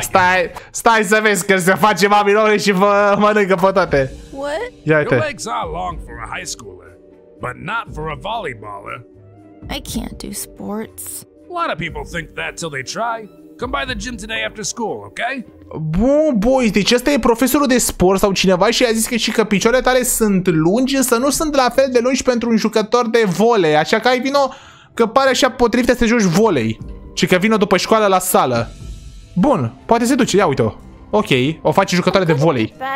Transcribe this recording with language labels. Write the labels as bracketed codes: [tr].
[ro] Stai, stai să vezi că se face Mami Longlegs și vă mănâncă pe toate. [en] What? [ro] Ia uite. [en] Your legs are long for a high schooler, but not for a volleyballer. I can't do sports. A lot of people think that till they try. Come by the gym today after school, okay? [ro] Bun, boy, deci ăsta e profesorul de sport sau cineva și i-a zis că și că picioarele tale sunt lungi, însă nu sunt la fel de lungi pentru un jucător de volei. Așa că ai vino că pare așa potrivit să joci volei. Ci că vino după școală la sală. Bun, poate se duce, ia uite-o. Ok, o face jucătoare de volei.